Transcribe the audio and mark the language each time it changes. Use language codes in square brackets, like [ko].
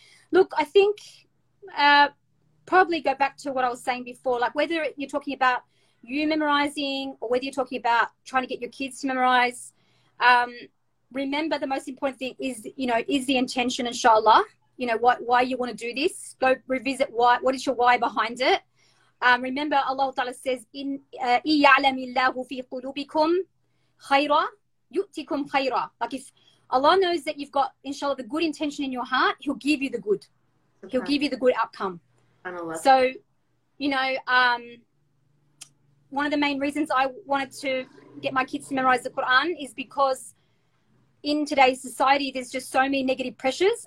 [en] Look, I think probably go back to what I was saying before. Like, whether you're talking about you memorizing or whether you're talking about trying to get your kids to memorize, remember the most important thing is, you know, is the intention, inshallah. You know, why you want to do this. Go revisit what is your why behind it. Remember, Allah Ta'ala says, [ar] "In إِيَّعْلَمِ اللَّهُ فِي قُلُوبِكُمْ خَيْرًا يُؤْتِكُمْ خَيْرًا." [en] Like, if Allah knows that you've got, inshallah, the good intention in your heart, He'll give you the good. Okay. He'll give you the good outcome. So, you know, one of the main reasons I wanted to get my kids to memorize the Quran is because in today's society, there's just so many negative pressures.